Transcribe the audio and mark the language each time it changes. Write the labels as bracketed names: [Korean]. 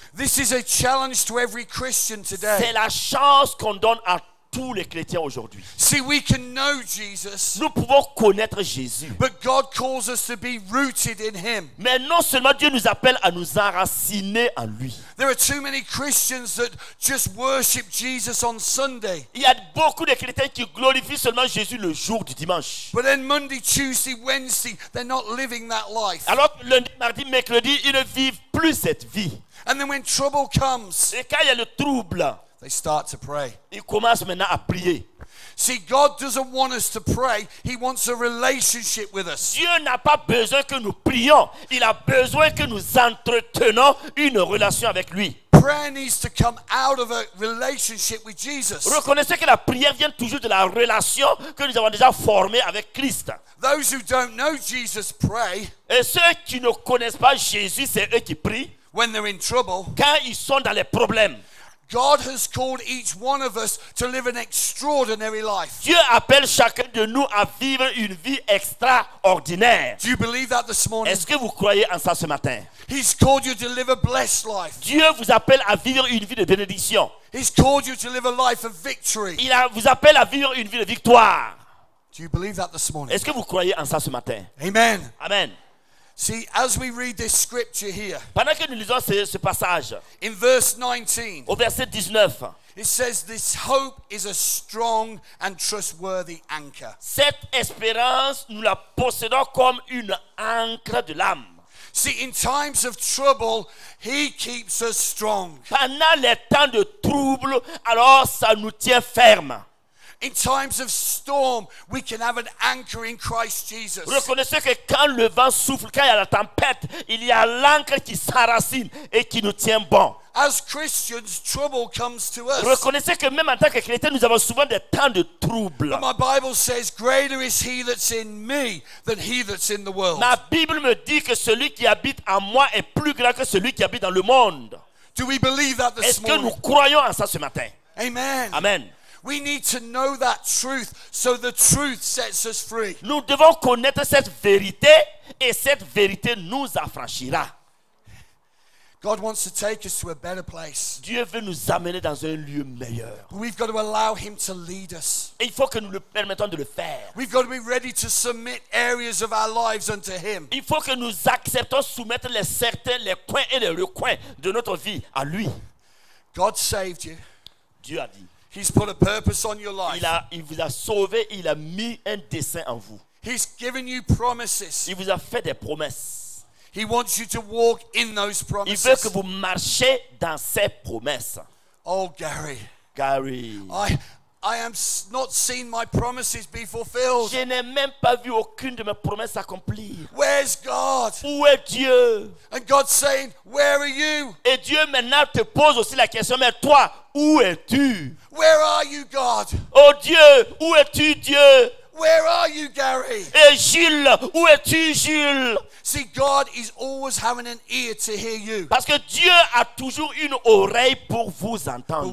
[English] This is a challenge to every Christian today. [French] C'est la chance qu'on donne à tous les chrétiens aujourd'hui. [English] See, we can know Jesus, [French] nous pouvons connaître Jésus. [English] But God calls us to be rooted in him. [French] Mais non seulement Dieu nous appelle à nous enraciner en lui. [English] There are too many Christians that just worship Jesus on Sunday. [French] Il y a beaucoup de chrétiens qui glorifient seulement Jésus le jour du dimanche. [English] But then Monday, Tuesday, Wednesday, they're not living that life. [French] Alors lundi, mardi, mercredi, ils ne vivent plus cette vie. [English] And then when trouble comes, [French] et quand il y a le trouble, [English] they start to pray. [French] Ils commencent maintenant à prier. [English] See, God doesn't want us to pray. He wants a relationship with us. [French] Dieu n'a pas besoin que nous prions. Il a besoin que nous entretenons une relation avec lui. [English] Prayer needs to come out of a relationship with Jesus. [French] Reconnaissez que la prière vient toujours de la relation que nous avons déjà formée avec Christ. [English] Those who don't know Jesus pray. [French] Et ceux qui ne connaissent pas Jésus, c'est eux qui prient. [English] When they're in trouble. [French] Quand ils sont dans les problèmes. [English] God has called each one of us to live an extraordinary life. [French] Dieu appelle chacun de nous à vivre une vie extraordinaire. [English] Do you believe that this morning? [French] Est-ce que vous croyez en ça ce matin? [English] He's called you to live a blessed life. [French] Dieu vous appelle à vivre une vie de bénédiction. [English] He's called you to live a life of victory. [French] Il vous appelle à vivre une vie de victoire. [English] Do you believe that this morning? [French] Est-ce que vous croyez en ça ce matin? [English] Amen. [French] Amen. [English] See, as we read this scripture here, [French] pendant que nous lisons ce passage, [English] in verse 19, [French] au verset 19, [English] it says, "This hope is a strong and trustworthy anchor." [French] Cette espérance, nous la possédons comme une ancre de l'âme. [English] See, in times of trouble, He keeps us strong. [French] Pendant les temps de trouble, alors ça nous tient ferme. [English] In times of storm, we can have an anchor in Christ Jesus. [French] Reconnaissez que quand le vent souffle, quand il y a la tempête, il y a l'ancre qui s'enracine et qui nous tient bon. [English] As Christians, trouble comes to us. [French] Reconnaissez que même en tant que chrétien, nous avons souvent des temps de trouble. [English] But my Bible says, "Greater is He that's in me than he that's in the world." [French] Ma Bible me dit que celui qui habite en moi est plus grand que celui qui habite dans le monde. [English] Do we believe that this morning? [French] Est-ce que nous croyons en ça ce matin? [English] Amen. [French] Amen. [English] We need to know that truth so the truth sets us free. [French] Nous devons connaître cette vérité et cette vérité nous affranchira. [English] God wants to take us to a better place. [French] Dieu veut nous amener dans un lieu meilleur. [English] We've got to allow Him to lead us. [French] Et il faut que nous le permettons de le faire. [English] We've got to be ready to submit areas of our lives unto Him. [French] Il faut que nous acceptons soumettre les certains, les coins et les recoins de notre vie à Lui. [English] God saved you. [French] Dieu a dit. [English] He's put a purpose on your life. [French] Il vous a sauvé, il a mis un dessein en vous. [English] He's given you promises. [French] Il vous a fait des promesses. [English] He wants you to walk in those promises. [French] Il veut que vous marchiez dans ses promesses. [English] Oh Gary. [French] Gary. [English] I am not seen my promises be fulfilled. [French] Je n'ai même pas vu aucune de mes promesses accomplies. [English] Where's God? [French] Où est Dieu? [English] And God's saying, "Where are you?" [French] Et Dieu maintenant te pose aussi la question, mais toi, où es-tu? [English] Where are you, God? [French] Oh Dieu, où es-tu, Dieu? [English] Where are you, Gary? [French] Et Gilles, où es-tu, Gilles? [English] See, God is always having an ear to hear you. [French] Parce que Dieu a toujours une oreille pour vous entendre.